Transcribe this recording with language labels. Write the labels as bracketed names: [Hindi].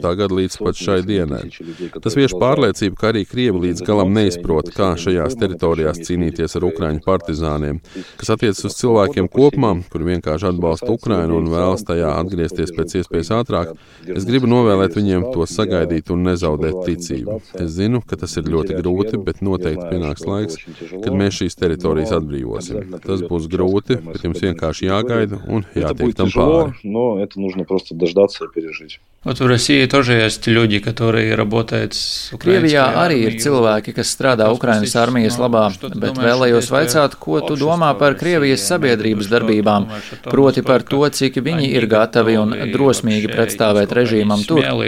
[Latvian] Gada līdz pat šai dienai. Tas vieš pārliecību, ka arī Krievi līdz galam neizprot, kā šajās teritorijās cīnīties ar ukraiņu partizāniem, kas attiecas uz cilvēkiem kopumā, kur vienkārši atbalsta Ukrainu un vēlas tajā atgriezties pēc iespējas ātrāk. Es gribu novēlēt viņiem to sagaidīt un nezaudēt ticību. Es zinu, ka tas ir ļoti grūti, bet teikt, pienāks laiks, kad mēs šīs teritorijas atbrīvosim. Tas būs grūti, bet jums vienkārši jāgaida un jātiek tam pāri. [Russian] No, это нужно просто дождаться и пережить. Вот в России тоже есть люди, которые работают с украинской армией. [Latvian] Krievijā arī ir cilvēki, kas strādā Ukrainas armijas labā, bet vēlējos vaicāt, ko tu domā par Krievijas sabiedrības darbībām, proti par to, cik viņi ir gatavi un drosmīgi pretstāvēt režīmam tur.